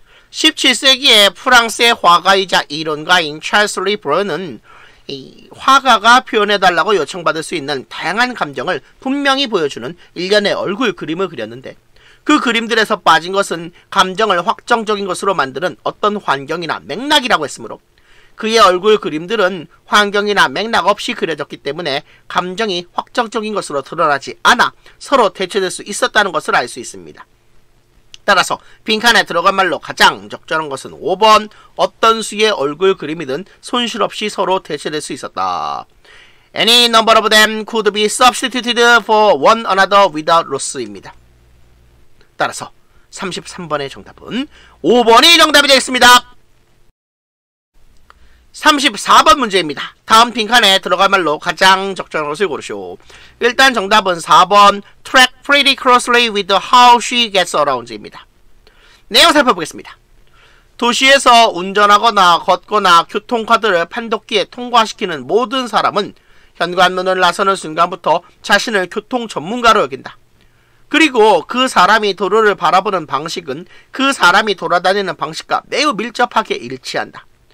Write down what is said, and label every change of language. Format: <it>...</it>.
<ko>17세기에 프랑스의 화가이자 이론가인 찰스 리 브루는 화가가 표현해달라고 요청받을 수 있는 다양한 감정을 분명히 보여주는 일련의 얼굴 그림을 그렸는데 그 그림들에서 빠진 것은 감정을 확정적인 것으로 만드는 어떤 환경이나 맥락이라고 했으므로 그의 얼굴 그림들은 환경이나 맥락 없이 그려졌기 때문에 감정이 확정적인 것으로 드러나지 않아 서로 대체될 수 있었다는 것을 알 수 있습니다. 따라서 빈칸에 들어간 말로 가장 적절한 것은 5번 어떤 수의 얼굴 그림이든 손실 없이 서로 대체될 수 있었다.</ko> <en>Any number of them could be substituted for one another without loss입니다.</en> <ko>따라서 33번의 정답은 5번이 정답이 되겠습니다. 34번 문제입니다. 다음 빈칸에 들어갈 말로 가장 적절한 것을 고르시오. 일단 정답은 4번</ko> <en>Track pretty closely with how she gets around입니다.</en> <ko>내용 살펴보겠습니다. 도시에서 운전하거나 걷거나 교통카드를 판독기에 통과시키는 모든 사람은 현관문을 나서는 순간부터 자신을 교통 전문가로 여긴다. 그리고 그 사람이 도로를 바라보는 방식은 그 사람이 돌아다니는 방식과 매우 밀접하게 일치한다.</ko>